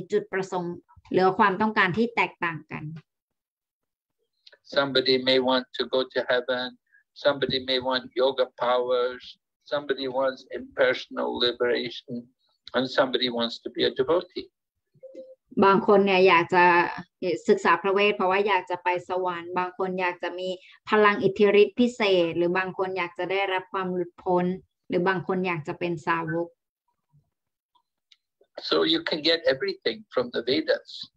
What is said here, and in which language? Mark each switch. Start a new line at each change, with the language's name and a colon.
Thai: เหมือนกับที่กฤษณะทรงบอกนะคะว่าบุคคลที่พยายามศึกษาพระเวทเนี่ยเขาอาจจะมีจุดประสงค์หรือความต้องการที่แตกต่างกัน
English: Somebody may want to go to heaven, somebody may want yoga powers, somebody wants impersonal liberation, and somebody wants to be a devotee.
Thai: บางคนเนี่ยอยากจะศึกษาพระเวทเพราะว่าอยากจะไปสวรรค์บางคนอยากจะมีพลังอิทธิฤทธิ์พิเศษหรือบางคนอยากจะได้รับความหลุดพ้นหรือบางคนอยากจะเป็นสาวก
English: So you can get everything from the Vedas